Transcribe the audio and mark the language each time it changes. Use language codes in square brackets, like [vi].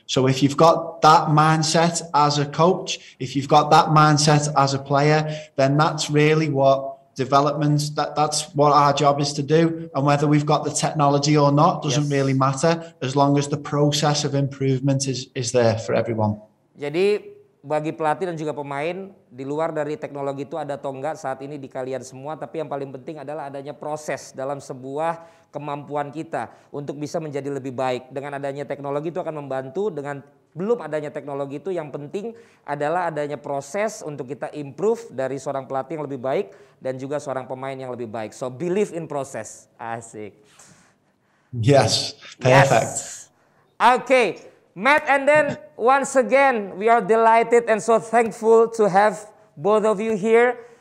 [en] So if you've got that mindset as a coach, if you've got that mindset as a player, then that's really what development, that's what our job is to do. And whether we've got the technology or not doesn't really matter, as long as the process of improvement is there for everyone. [id] Jadi bagi pelatih dan juga pemain, di luar dari teknologi itu ada atau enggak saat ini di kalian semua, tapi yang paling penting adalah adanya proses dalam sebuah kemampuan kita untuk bisa menjadi lebih baik. Dengan adanya teknologi itu akan membantu, dengan belum adanya teknologi itu yang penting adalah adanya proses untuk kita improve dari seorang pelatih yang lebih baik dan juga seorang pemain yang lebih baik. [en] So believe in process. [id] Asik. [en] Yes, perfect. Yes. Okay. Matt, and then once again, we are delighted and so thankful to have both of you here.